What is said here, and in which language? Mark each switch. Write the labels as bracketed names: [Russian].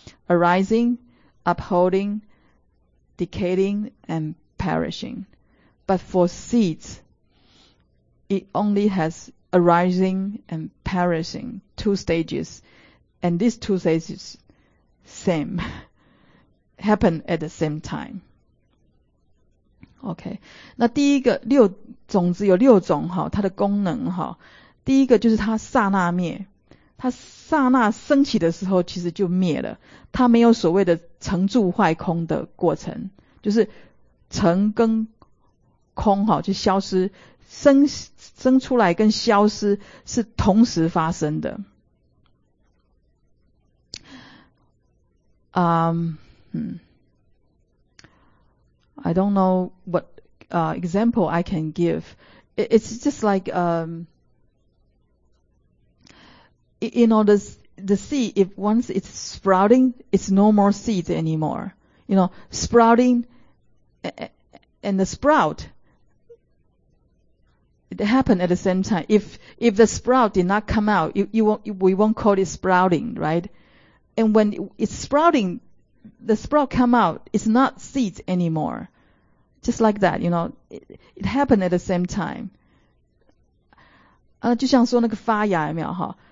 [English] Arising,upholding, decaying, and perishing. But for seeds, it only has arising and perishing, two stages. And these two stages, same, happen at the same time. Okay. [Chinese] 那第一个六种子有六种哈，它的功能哈，第一个就是它刹那灭。它刹那升起的时候其实就灭了，它没有所谓的成住坏空的过程，就是成跟空就消失，生出来跟消失是同时发生的。 [English] I don't know what example I can give. It's just like you know, the seed, if once it's sprouting, it's no more seed anymore. You know, sprouting and the sprout, it happened at the same time. If the sprout did not come out, we won't call it sprouting, right? And when it's sprouting, the sprout come out, it's not seed anymore. Just like that, you know, it happened at the same time. [Chinese] 就像说那个发芽有没有齁。